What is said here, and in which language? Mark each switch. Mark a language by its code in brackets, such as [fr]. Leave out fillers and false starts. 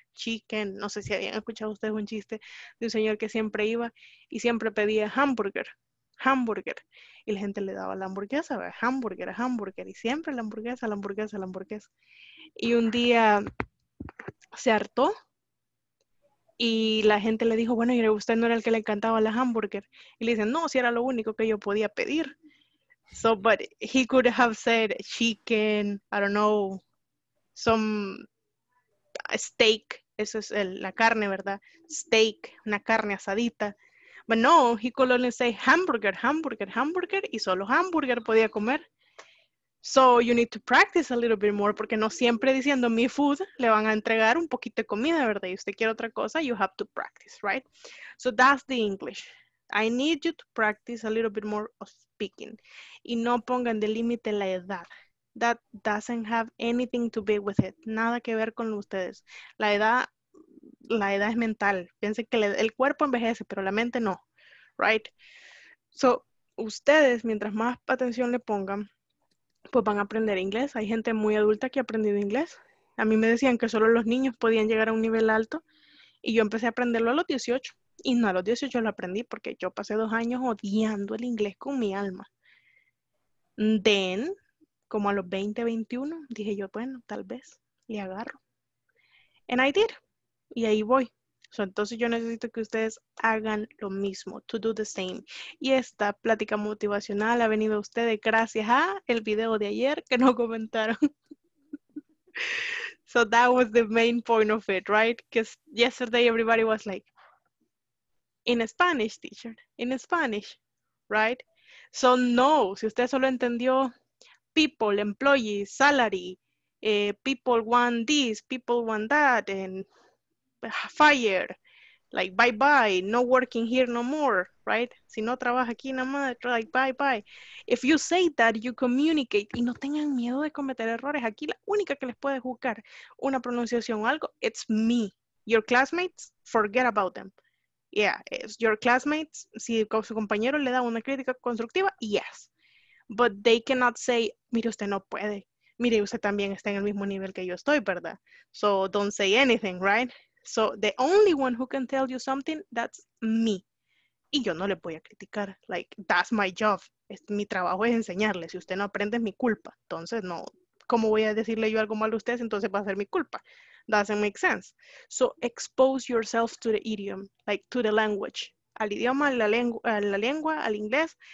[es] Chicken, no sé si habían escuchado ustedes un chiste de un señor que siempre iba y siempre pedía hamburger, hamburger, y la gente le daba la hamburguesa, ¿ver? Hamburger, hamburger, y siempre la hamburguesa, la hamburguesa, la hamburguesa. Y un día se hartó y la gente le dijo, bueno, ¿y usted no era el que le encantaba la hamburger? Y le dicen, no, si era lo único que yo podía pedir. [en] So, but he could have said chicken, I don't know, some steak, [es] eso es la carne, ¿verdad? [en] Steak, [es] una carne asadita. [en] But no, he could only say hamburger, hamburger, hamburger, [es] y solo hamburger podía comer. [en] So, you need to practice a little bit more, [es] porque no siempre diciendo mi food, le van a entregar un poquito de comida, ¿verdad? Y usted quiere otra cosa, [en] you have to practice, right? So, that's the English. I need you to practice a little bit more of speaking. [es] Y no pongan de límite la edad. [en] That doesn't have anything to be with it. [es] Nada que ver con ustedes. La edad es mental. Piense que el cuerpo envejece, pero la mente no. Right? So, ustedes, mientras más atención le pongan, pues van a aprender inglés. Hay gente muy adulta que ha aprendido inglés. A mí me decían que solo los niños podían llegar a un nivel alto. Y yo empecé a aprenderlo a los 18. Y no, a los 18 lo aprendí porque yo pasé 2 años odiando el inglés con mi alma. Then, como a los 20, 21, dije yo, bueno, tal vez, le agarro. [en] And I did. [es] Y ahí voy. So, entonces yo necesito que ustedes hagan lo mismo, [en] to do the same. [es] Y esta plática motivacional ha venido a ustedes gracias a el video de ayer que nos comentaron. [en] So that was the main point of it, right? Because yesterday everybody was like, in Spanish, teacher, in Spanish, right? So no, [es] si usted solo entendió [en] people, employees, salary, people want this, people want that, and fire, like bye bye, no working here no more, right? [es] Si no trabaja aquí nada más, like bye bye. [en] If you say that, you communicate, [es] y no tengan miedo de cometer errores. Aquí la única que les puede juzgar una pronunciación o algo, [en] it's me. Your classmates, forget about them. Yeah, it's your classmates, [es] si su compañero le da una crítica constructiva, [en] yes. But they cannot say, mire, usted no puede. [es] Mire, usted también está en el mismo nivel que yo estoy, ¿verdad? [en] So, don't say anything, right? So, the only one who can tell you something, that's me. [es] Y yo no le voy a criticar. [en] Like, that's my job. [es] Mi trabajo es enseñarle. Si usted no aprende, es mi culpa. Entonces, no. ¿Cómo voy a decirle yo algo malo a usted? Entonces, va a ser mi culpa. [en] Doesn't make sense. So, expose yourself to the idiom. Like, to the language. [es] Al idioma, a la lengua, al inglés.